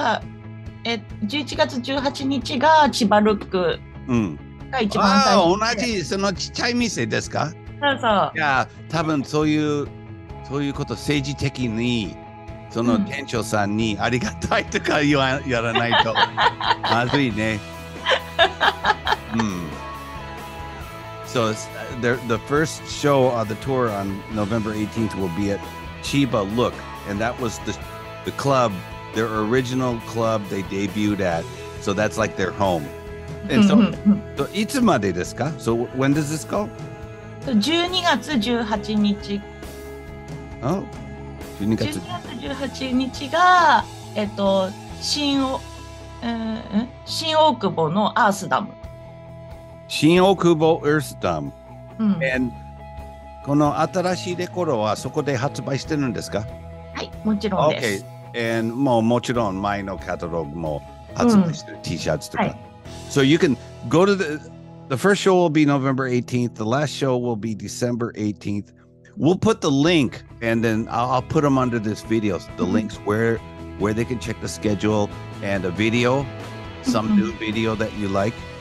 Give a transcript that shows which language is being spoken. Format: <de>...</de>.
<ja>11月18日から、うん、え、11月18日が千葉ルックが一番大事、うん、あ、同じそのちっちゃい店ですか？そうそう、いや多分そういうこと、政治的にその店長さんにありがたいとか言わ、うん、やらないとまずいね。</ja> <en>So the first show of the tour on November 18th will be at Chiba Look, and that was the club, their original club they debuted at. So that's like their home. And so</en> <ja>いつまでですか?</ja> <en>So when does this go?</en> <ja>12月18日。 Oh, 12月18日が新大久保のアースダム。新大久保アースダム。うん、この新しいレコードはそこで発売してるんですか？はい、もちろんです。Okay. And もちろん前のカタログも発売してる、うん、T シャツとか、はい。</ja> <en>So you can go to the first show will be November 18th. The last show will be December 18th. We'll put the link, and then I'll put them under this video. The links where they can check the schedule and a video, some new video that you like.</en>